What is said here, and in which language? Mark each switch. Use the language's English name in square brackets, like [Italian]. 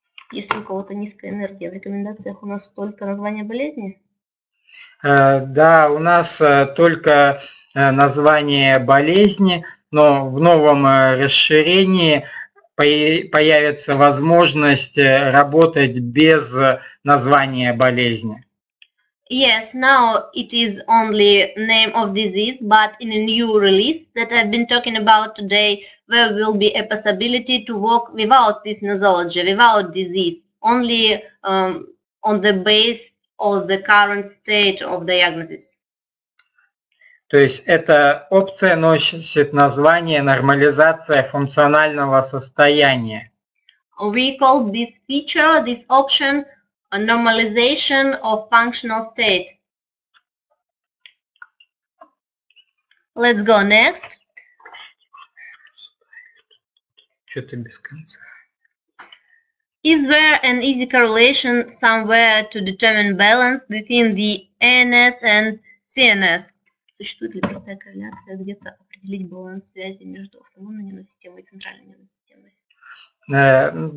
[Russian] Если у кого-то низкая энергия, в рекомендациях у нас только название болезни? Да, у нас только название болезни, но в новом расширении появится возможность работать без названия болезни. [English] Yes, now it is only name of disease, but in a new release that I've been talking about today, there will be a possibility to work without this nosology, without disease, only on the base of the current state of diagnosis. [Russian] То есть эта опция носит название нормализация функционального состояния. [English] We call this feature, this option, a normalization of functional state. Let's go next. [Russian] Что-то без конца. [English] Is there an easy correlation somewhere to determine balance between the ANS and CNS? [Russian] Существует ли простая корреляция где-то определить баланс связи между автономной нервной системой и центральной нервной системой?